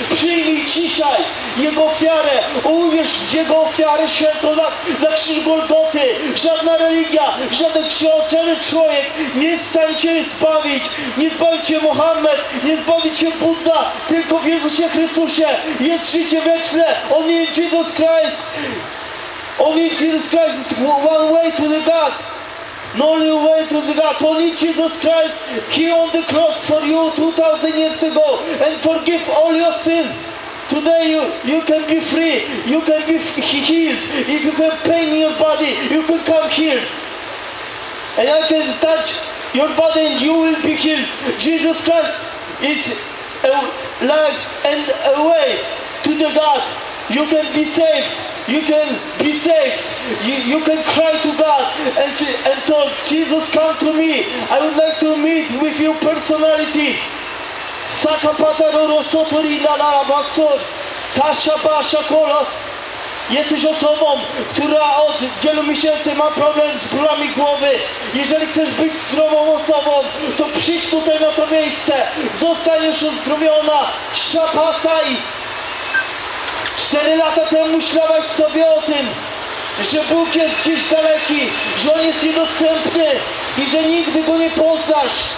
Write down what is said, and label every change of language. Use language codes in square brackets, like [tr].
[pl] Przyjmij dzisiaj Jego ofiarę. Uwierz w Jego ofiarę świętą na krzyż Golgoty. Żadna religia, żaden ksiądz, żaden człowiek nie jest w stanie cię zbawić. Nie zbawi cię Mohamed, nie zbawi cię Budda. Tylko w Jezusie Chrystusie jest życie wieczne. On jest Jesus Christ. [en] Only Jesus Christ is one way to the God. No only way to the God. Only Jesus Christ came on the cross for you 2000 years ago and forgive all your sins. Today you can be free. You can be healed. If you have pain in your body, you can come here. And I can touch your body and you will be healed. Jesus Christ is a life and a way to the God. You can be saved. You can be saved. You can cry to God and tell Jesus, come to me. I would like to meet with your personality. Sakapata Roro Sotori Nalara Basor. [pl] Tasza Basza Kolos, jesteś osobą, która od wielu miesięcy ma problem z bólami głowy. Jeżeli chcesz być zdrową osobą, to przyjdź tutaj na to miejsce. Zostaniesz uzdrowiona. Szapasaj! 4 lata temu myślałaś sobie o tym, że Bóg jest gdzieś daleki, że On jest niedostępny i że nigdy Go nie poznasz.